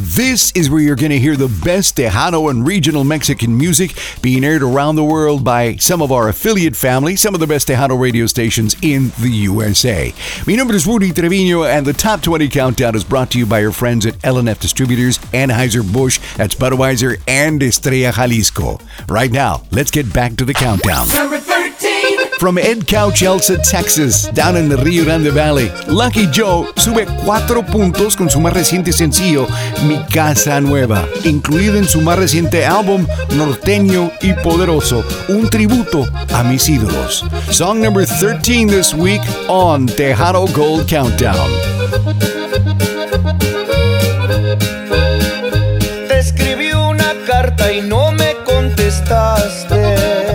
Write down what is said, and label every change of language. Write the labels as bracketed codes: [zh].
[en] This is where you're going to hear the best Tejano and regional Mexican music being aired around the world by some of our affiliate family, some of the best Tejano radio stations in the USA. [es] Mi nombre es [en] Rudy Treviño, and the Top 20 Countdown is brought to you by your friends at L&F Distributors, Anheuser-Busch, that's Budweiser, and Estrella Jalisco. Right now, let's get back to the countdown. From Ed Couch, Elsa, Texas, down in the Rio Grande Valley, [es] Lucky Joe sube 4 puntos con su más reciente sencillo, Mi Casa Nueva, incluido en su más reciente álbum, Norteño y Poderoso, un tributo a mis ídolos. [en] Song number 13 this week on Tejano Gold Countdown. [es] Te escribí una carta y no me contestaste.